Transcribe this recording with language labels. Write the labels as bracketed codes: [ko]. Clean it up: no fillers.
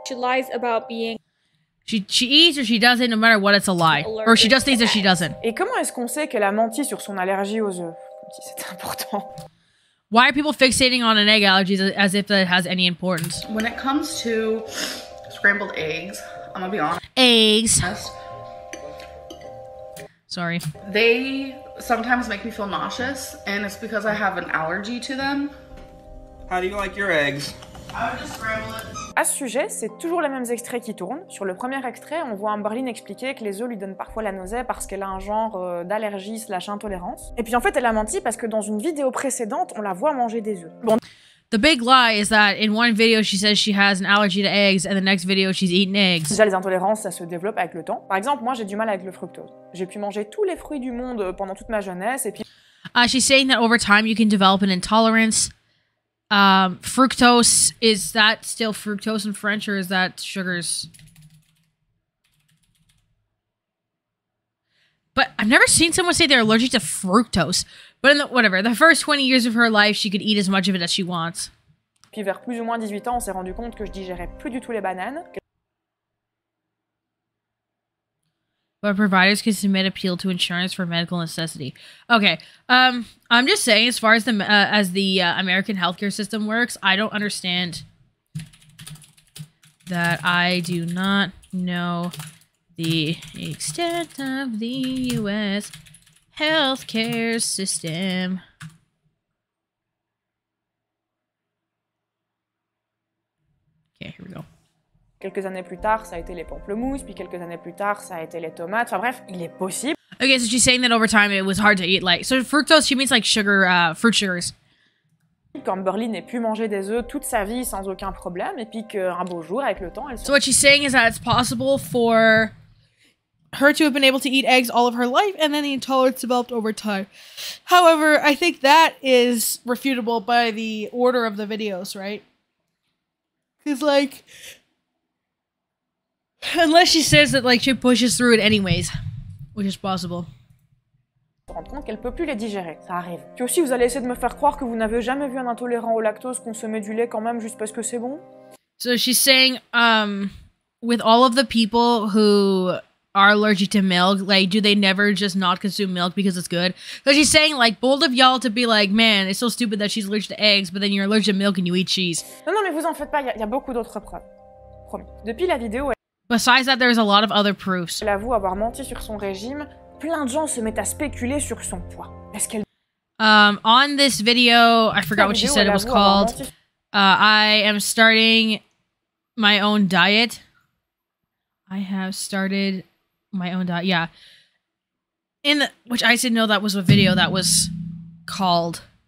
[en] She lies about being... She eats or she doesn't, no matter what, it's a lie. Or she does things or she doesn't. [fr] Et comment est-ce qu'on sait qu'elle a menti sur son allergie aux œufs? C'est important. [en] Why are people fixating on an egg allergy as if that has any importance? When it comes to scrambled eggs, I'm gonna be honest. Eggs. Sorry. They sometimes make me feel nauseous, and it's because I have an allergy to them. How do you like your eggs? [fr] À ce sujet, c'est toujours les mêmes extraits qui tournent. Sur le premier extrait, on voit Amberlynn expliquer que les œufs lui donnent parfois la nausée parce qu'elle a un genre d'allergie slash intolérance. Et puis en fait, elle a menti parce que dans une vidéo précédente, on la voit manger des œufs. Bon. [en] The big lie is that in one video she says she has an allergy to eggs and the next video she's eating eggs. [fr] Déjà, les intolérances, ça se développe avec le temps. Par exemple, moi, j'ai du mal avec le fructose. J'ai pu manger tous les fruits du monde pendant toute ma jeunesse et puis... [en] She's saying that over time you can develop an intolerance. Fructose, is that still fructose in French or is that sugars? But I've never seen someone say they're allergic to fructose. But in the, whatever, the first 20 years of her life, she could eat as much of it as she wants. [fr] Puis vers plus ou moins 18 ans, on s'est rendu compte que je digérais plus du tout les bananes. [en] But providers can submit appeal to insurance for medical necessity. Okay, I'm just saying, as far as the American healthcare system works, I don't understand that. I do not know the extent of the U.S. healthcare system. Okay, here we go. [fr] Quelques années plus tard, ça a été les pamplemousses, puis quelques années plus tard, ça a été les tomates. Enfin bref, il est possible. [en] Okay, so she's saying that over time, it was hard to eat, like... So fructose, she means like sugar, fruit sugars. [fr] Amberlynn n'ait pu manger des œufs toute sa vie sans aucun problème, et puis qu'un beau jour, avec le temps, elle... [en] So what she's saying is that it's possible for her to have been able to eat eggs all of her life, and then the intolerance developed over time. However, I think that is refutable by the order of the videos, right? Because like... Unless she says that, like, she pushes through it anyways, which is possible. [fr] Rendre compte qu'elle peut plus les digérer, ça arrive. Puis aussi, vous allez essayer de me faire croire que vous n'avez jamais vu un intolérant au lactose consommer du lait quand même juste parce que c'est bon. [en] So she's saying, with all of the people who are allergic to milk, like, do they never just not consume milk because it's good? So she's saying, like, bold of y'all to be like, man, it's so stupid that she's allergic to eggs, but then you're allergic to milk and you eat cheese. [fr] Non, non, mais vous en faites pas, y a beaucoup d'autres preuves. Promis. Depuis la vidéo, [en] besides that, there's a lot of other proofs. [fr] Elle avoue avoir menti sur son régime. Plein de gens se mettent à spéculer sur son poids. Est-ce qu'elle... [en] On this video, I forgot what she said it was called. I am starting my own diet. I have started my own diet. Yeah. In the... Which I didn't know that was a video that was called.